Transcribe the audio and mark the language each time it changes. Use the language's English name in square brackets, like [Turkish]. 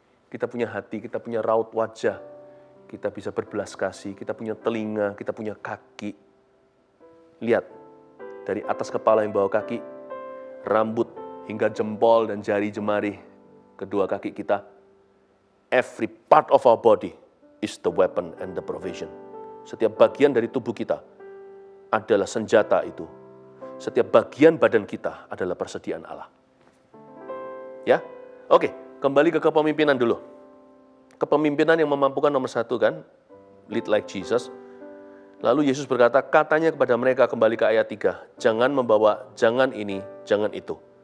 [Indonesian] Kita punya hati, kita punya raut wajah. Kita bisa berbelas kasih, kita punya telinga, kita punya kaki. Lihat, dari atas kepala yang bawa kaki, rambut hingga jempol dan jari jemari kedua kaki kita. [English] Every part of our body is the weapon and the provision. [Indonesian] Setiap bagian dari tubuh kita adalah senjata itu. Setiap bagian badan kita adalah persediaan Allah. Ya? Oke, kembali ke kepemimpinan dulu. Kepemimpinan yang memampukan nomor satu kan? [English] Lead like Jesus. [Indonesian] Lalu Yesus berkata, katanya kepada mereka, kembali ke ayat 3, jangan membawa, jangan ini, jangan itu.